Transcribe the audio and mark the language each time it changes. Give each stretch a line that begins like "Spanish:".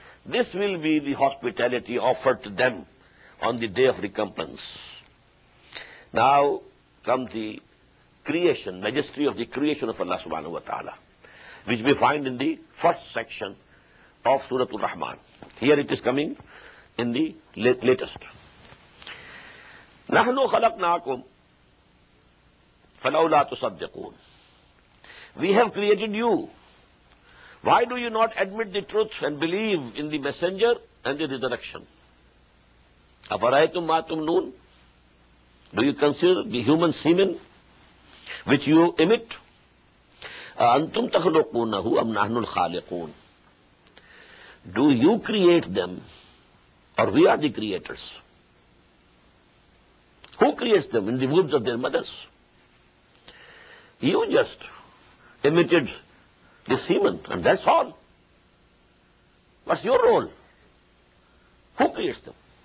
English: This will be the hospitality offered to them on the day of recompense. Now come the creation, majesty of the creation of Allah subhanahu wa ta'ala, which we find in the first section of Surah Ar-Rahman. Here it is coming in the latest.
Arabic: نحن خلقناكم فلولا تصدقون.
English: We have created you. Why do you not admit the truth and believe in the messenger and the resurrection?
Arabic: أفرأيتم ما تمنون.
English: Do you consider the human semen which you emit?
Arabic: أنتم تخلقونه أم نحن الخالقون.
English: Do you create them or we are the creators? Who creates them in the wombs of their mothers? You just emitted the semen and that's all. What's your role? Who creates them?